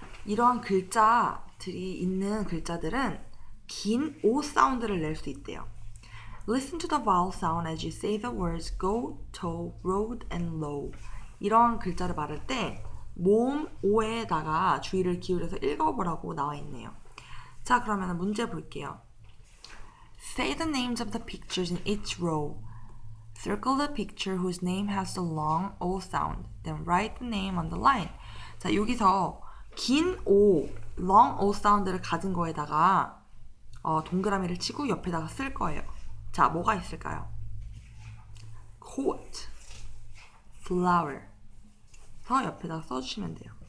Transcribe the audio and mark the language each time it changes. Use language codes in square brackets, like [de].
[ko] 이러한 글자들이 있는 글자들은 긴 O 사운드를 낼 수 있대요. [en] Listen to the vowel sound as you say the words go, toe, road, and low. [ko] 이러한 글자를 말할 때 모음 O에다가 주의를 기울여서 읽어보라고 나와 있네요. 자, 그러면 문제 볼게요. [en] Say the names of the pictures in each row. Circle the picture whose name has the long O sound. Then write the name on the line. [ko] 자, 여기서 긴 O, long O 사운드를 가진 거에다가 동그라미를 치고 옆에다가 쓸 거예요. 자, 뭐가 있을까요? Coat, flower. 서 옆에다가 써주시면 돼요.